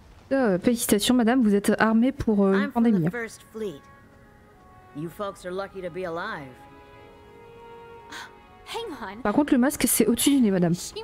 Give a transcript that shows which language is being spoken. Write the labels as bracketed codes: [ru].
[fr] Félicitations, madame, vous êtes armée pour une pandémie. [en] I'm from the First Fleet. You folks are lucky to be alive. [fr] Par contre, le masque, c'est au-dessus du nez, madame.